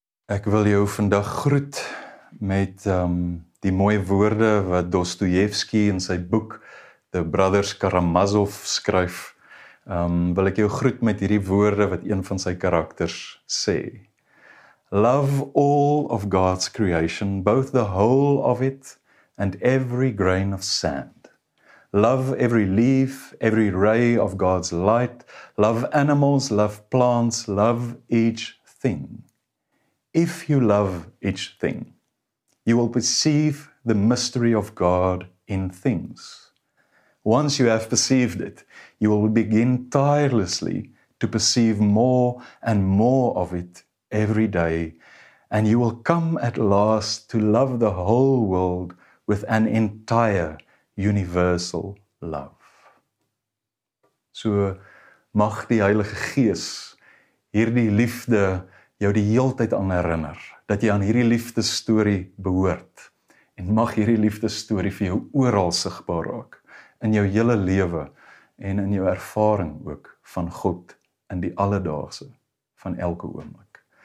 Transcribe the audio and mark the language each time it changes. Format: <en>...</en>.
<af>Ek wil jou vandag groet met die mooie woorde wat Dostojewski in sy boek The Brothers Karamazov skryf. Wil ek jou groet met hierdie woorde wat een van sy karakters sê.</af> <en>Love all of God's creation, both the whole of it and every grain of sand. Love every leaf, every ray of God's light. Love animals, love plants, love each thing. If you love each thing, you will perceive the mystery of God in things. Once you have perceived it, you will begin tirelessly to perceive more and more of it every day, and you will come at last to love the whole world with an entire universal love.</en> <af>So mag die Heilige Gees hierdie liefde jou die heeltyd aan herinner, dat jy aan hierdie liefdesstorie behoort, en mag hierdie liefdesstorie vir jou oral sigbaar raak. In jou hele lewe en in jou ervaring ook van God in die alledaagse van elke oomblik.</af>